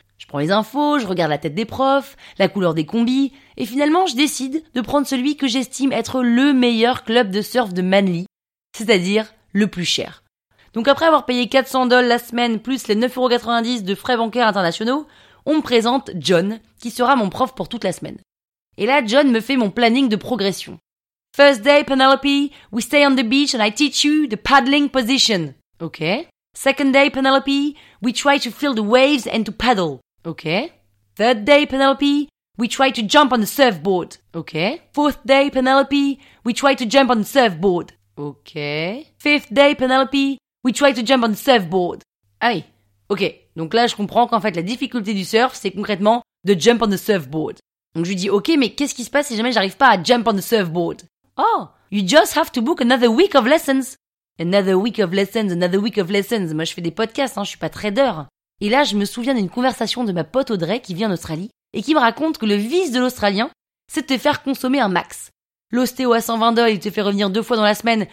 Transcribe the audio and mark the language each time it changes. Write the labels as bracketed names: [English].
[French] Je prends les infos, je regarde la tête des profs, la couleur des combis, et finalement je décide de prendre celui que j'estime être le meilleur club de surf de Manly, c'est-à-dire le plus cher. Donc après avoir payé 400 dollars la semaine plus les 9,90€ de frais bancaires internationaux, on me présente John, qui sera mon prof pour toute la semaine. Et là, John me fait mon planning de progression. [English] First day, Penelope, we stay on the beach and I teach you the paddling position. Ok. Second day, Penelope, we try to feel the waves and to paddle. Ok. Third day, Penelope, we try to jump on the surfboard. Ok. Fourth day, Penelope, we try to jump on the surfboard. Ok. Fifth day, Penelope, we try to jump on the surfboard. Aïe. [French] Ok, donc là je comprends qu'en fait la difficulté du surf, c'est concrètement de [English] jump on the surfboard. [French] Donc je lui dis, ok, mais qu'est-ce qui se passe si jamais j'arrive pas à [English] jump on the surfboard? Oh, you just have to book another week of lessons. Another week of lessons, another week of lessons. [French] Moi, je fais des podcasts, hein, je suis pas trader. Et là, je me souviens d'une conversation de ma pote Audrey qui vit en Australie et qui me raconte que le vice de l'Australien, c'est de te faire consommer un max. L'ostéo à 120 dollars, il te fait revenir deux fois dans la semaine.